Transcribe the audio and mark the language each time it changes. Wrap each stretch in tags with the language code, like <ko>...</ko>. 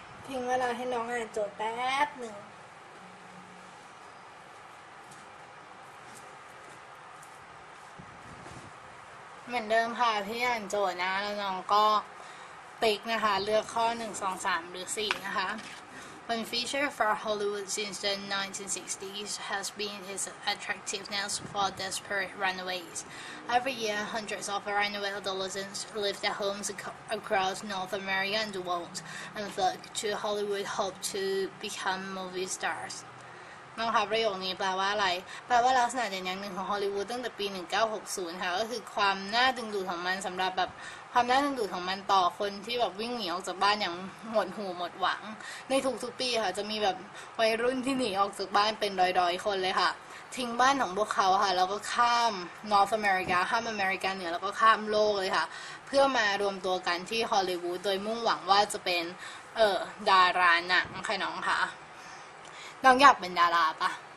<th>ทิ้งเวลาให้น้องอ่านโจทย์แป๊บหนึ่งเหมือนเดิมค่ะพี่อ่านโจทย์นะแล้วน้องก็ติ๊กนะคะเลือกข้อ1 2 3หรือ4นะคะ</th> <en>When feature for Hollywood since the 1960s has been its attractiveness for desperate runaways. Every year, hundreds of runaway adolescents leave their homes across North America and the world and flock to Hollywood hope to become movie stars.</en> <th>น้องคะประโยคนี้แปลว่าอะไรแปลว่าลักษณะเด่นอย่างหนึ่งของฮอลลีวูดตั้งแต่ปี1960ค่ะก็คือความน่าดึงดูดของมันสำหรับแบบความน่าดึงดูดของมันต่อคนที่แบบวิ่งหนีออกจากบ้านอย่างหมดหูหมดหวัง ในทุกปีค่ะจะมีแบบวัยรุ่นที่หนีออกจากบ้านเป็นร้อยๆคนเลยค่ะทิ้งบ้านของพวกเขาค่ะแล้วก็ข้าม North America ข้ามอเมริกาเหนือแล้วก็ข้ามโลกเลยค่ะเพื่อมารวมตัวกันที่ฮอลลีวูดโดยมุ่งหวังว่าจะเป็นดาราหนังค่ะน้องค่ะน้องอยากเป็นดาราป่ะ</th>